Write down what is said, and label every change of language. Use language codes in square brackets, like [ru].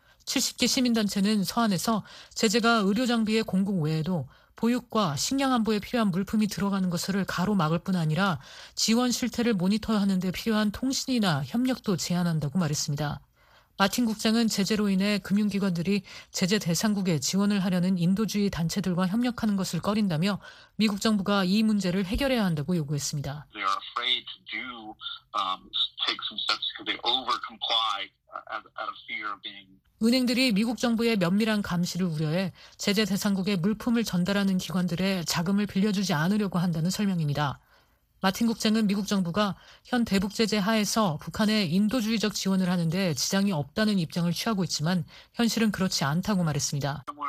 [ko] 70개 시민단체는 서한에서 제재가 의료장비의 공급 외에도 보육과 식량 안보에 필요한 물품이 들어가는 것을 가로막을 뿐 아니라 지원 실태를 모니터하는 데 필요한 통신이나 협력도 제한한다고 말했습니다. 마틴 국장은 제재로 인해 금융기관들이 제재 대상국에 지원을 하려는 인도주의 단체들과 협력하는 것을 꺼린다며 미국 정부가 이 문제를 해결해야 한다고 요구했습니다. [en] They are afraid to do, take some steps because they overcomply out of fear of being... [ko] 은행들이 미국 정부의 면밀한 감시를 우려해 제재 대상국에 물품을 전달하는 기관들의 자금을 빌려주지 않으려고 한다는 설명입니다. 마틴 국장은 미국 정부가 현 대북 제재 하에서 북한에 인도주의적 지원을 하는데 지장이 없다는 입장을 취하고 있지만 현실은 그렇지 않다고 말했습니다.